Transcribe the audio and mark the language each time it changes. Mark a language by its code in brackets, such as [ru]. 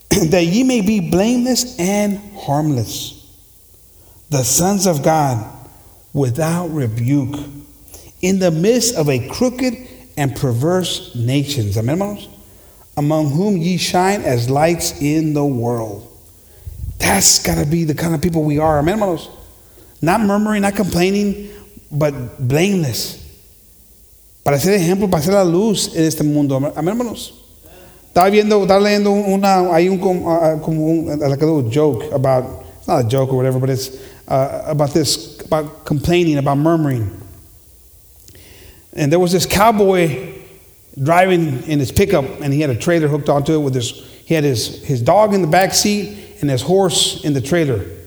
[en] That ye may be blameless and harmless, the sons of God, without rebuke, in the midst of a crooked and perverse nations, amen, hermanos, among whom ye shine as lights in the world. That's got to be the kind of people we are, amen, hermanos. Not murmuring, not complaining, but blameless. [es] Para ser ejemplo, para ser la luz en este mundo, amen, hermanos. Estaba leyendo una, hay un como un, [en] like a little joke about, it's not a joke or whatever, but it's about this, about complaining, about murmuring. And there was this cowboy driving in his pickup, and he had a trailer hooked onto it with his, he had his dog in the back seat and his horse in the trailer.